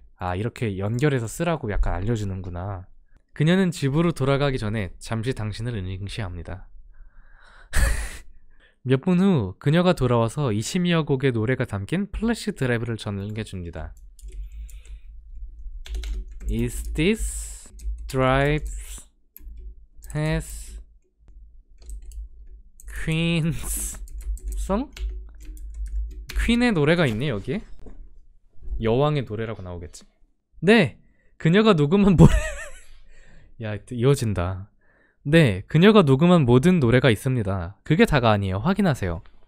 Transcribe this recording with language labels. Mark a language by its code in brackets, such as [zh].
[ko] 아, 이렇게 연결해서 쓰라고 약간 알려주는구나. 그녀는 집으로 돌아가기 전에 잠시 당신을 응시합니다. 몇분후 그녀가 돌아와서 20여 곡의 노래가 담긴 플래시 드라이브를 전해줍니다. [en] Is this drive has Queen's song? [ko] Queen의 노래가 있네 여기에. 여왕의 노래라고 나오겠지. 네, 그녀가 녹음한 노래. 야, 이어진다. 네, 그녀가 녹음한 모든 노래가 있습니다. 그게 다가 아니에요. 확인하세요.